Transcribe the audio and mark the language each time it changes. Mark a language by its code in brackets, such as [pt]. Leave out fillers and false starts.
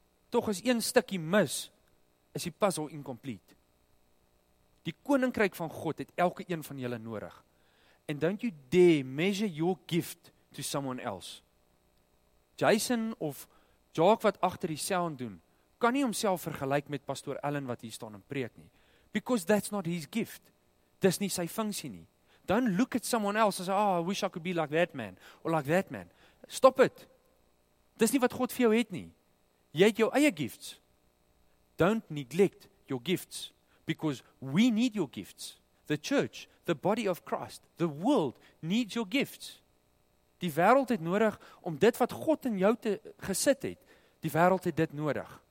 [af] Tog as een stukkie mis, is die puzzle incomplete. Die koninkryk van God het elke een van julle nodig. [en] And don't you dare measure your gift to someone else. [af] Jason of Jacques wat agter die sound doen, kan nie homself vergelyk met pastoor Allen wat hier staan en preek nie. [en] Because that's not his gift. [af] Dis nie sy funksie nie. [en] Don't look at someone else and say, oh, I wish I could be like that man, or like that man. Stop it. [af] Dis nie wat God vir jou het nie. Jy het jou eie [en] gifts. Don't neglect your gifts. Because we need your gifts. The church, the body of Christ, the world needs your gifts. [af] Die wêreld het nodig om dit wat God in jou gesit het, die wêreld het dit nodig.